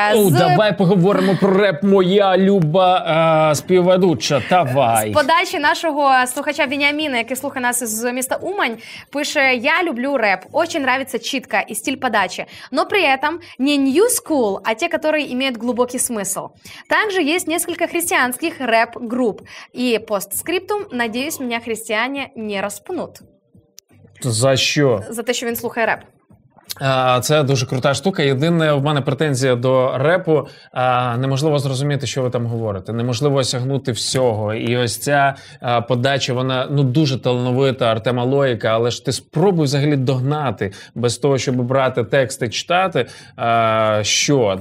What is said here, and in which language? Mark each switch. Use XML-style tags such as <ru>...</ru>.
<uk>Давай поговоримо про реп, моя люба співведуча, давай. З подачі нашого слухача Веніаміна, який слухає нас з міста Умань, пише:</uk> <ru>«Я люблю реп, очень нравится чітка і стиль подачі, но при этом не new school, а те, которые имеют глубокий смысл. Также есть несколько христианских реп-групп. И постскриптум, надеюсь, меня христиане не распнут».</ru> <uk>За що? За те, що він слухає реп. Це дуже крута штука. Єдине в мене претензія до репу, неможливо зрозуміти, що ви там говорите. Неможливо осягнути всього. І ось ця подача, вона, ну, дуже талановита, Артема Лоїка, але ж ти спробуй взагалі догнати без того, щоб брати тексти, читати, що?</uk>